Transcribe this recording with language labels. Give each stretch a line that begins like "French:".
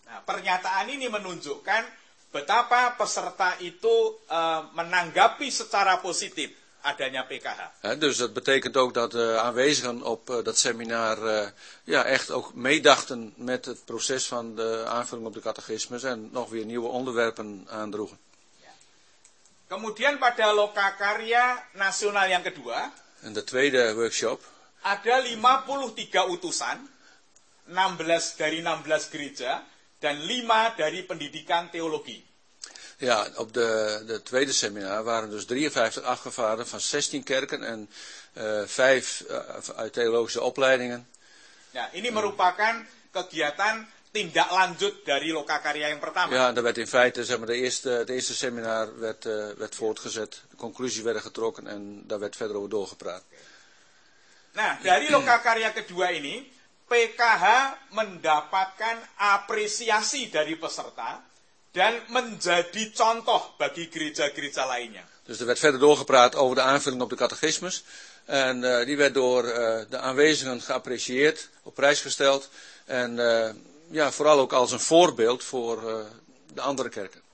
Indonesian: Nah, pernyataan ini menunjukkan betapa peserta itu menanggapi secara positif adanya PKH.
Dutch: Ja, dus dat betekent ook dat de aanwezigen op dat seminar ja, echt ook meedachten met het proces van de aanvulling op de catechismus en nog weer nieuwe onderwerpen aandroegen. Ja.
Indonesian: Kemudian pada lokakarya nasional yang kedua.
Dutch: En de tweede workshop.
Indonesian: Ada 53 utusan. 16 dari 16 gereja dan 5 dari pendidikan teologi.
Dutch: Ja, op de tweede seminar waren dus 53 afgevaren van 16 kerken en 5 uit theologische opleidingen.
Indonesian: Ja, ini merupakan kegiatan tindak lanjut dari lokakarya yang pertama.
Dutch: Ja, dat werd in feite, zeg maar, de eerste seminar werd voortgezet. De conclusie werden getrokken en daar werd verder over doorgepraat.
Indonesian: Nah, dari lokakarya kedua ini, PKH mendapatkan apresiasi dari peserta dan menjadi contoh bagi gereja-gereja lainnya.
Dutch: Dus er werd verder doorgepraat over de aanvulling op de catechismus. En die werd door de aanwezigen geapprecieerd, op prijs gesteld. En ja, vooral ook als een voorbeeld voor de andere kerken.